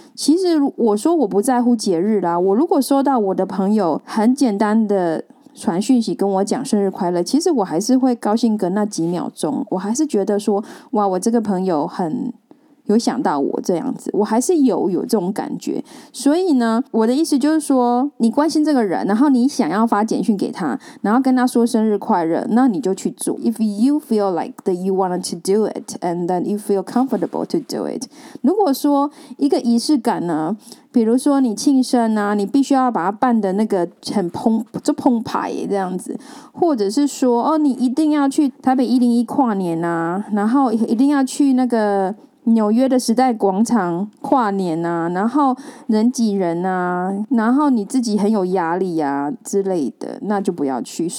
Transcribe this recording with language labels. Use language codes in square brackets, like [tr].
[zh] 其实我说我不在乎节日啦，我如果收到我的朋友很简单的传讯息跟我讲生日快乐，其实我还是会高兴个那几秒钟，我还是觉得说哇，我这个朋友很有想到我这样子，我还是有这种感觉。所以呢，我的意思就是说，你关心这个人，然后你想要发简讯给他，然后跟他说生日快乐，那你就去做。 [en] If you feel like that you wanted to do it, and then you feel comfortable to do it. [zh] 如果说一个仪式感呢，比如说你庆生啊，你必须要把它办的那个很澎，就澎湃这样子，或者是说哦，你一定要去台北101跨年啊，然后一定要去那个纽约的时代广场跨年啊，然后人挤人啊，然后你自己很有压力啊之类的，那就不要去。